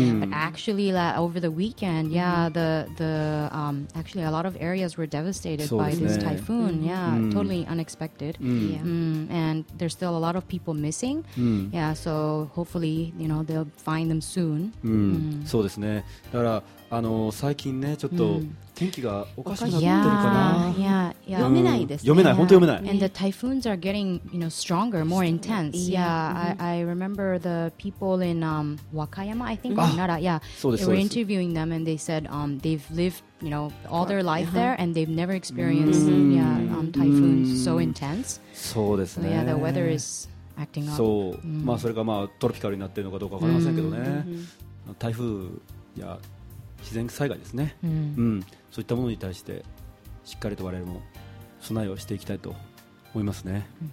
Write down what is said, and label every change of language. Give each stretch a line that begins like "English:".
English: But actually, over the weekend, actually a lot of areas were devastated by this typhoon. Yeah, totally unexpected. And there's still a lot of people missing. Yeah, so hopefully, you know, they'll find them soon.
Japanese: そうですね。だから、あの、最近ね、ちょっと天気がおかしくなってるかな。読めないですね。読めない、本当読めない。
English: And the typhoons are getting, you know, stronger, more intense. I remember the people in Wakayama, I think, or Nara. They were interviewing them and they said they've lived, you know, all their life there and they've never experienced typhoons so intense.
Japanese: そうですね。
English: So, yeah, the weather is acting up.
Japanese: そう。まあ、それがまあ、トロピカルになってるのかどうかわかりませんけどね。台風、いや、自然災害ですね、そういったものに対してしっかりと我々も備えをしていきたいと思いますね、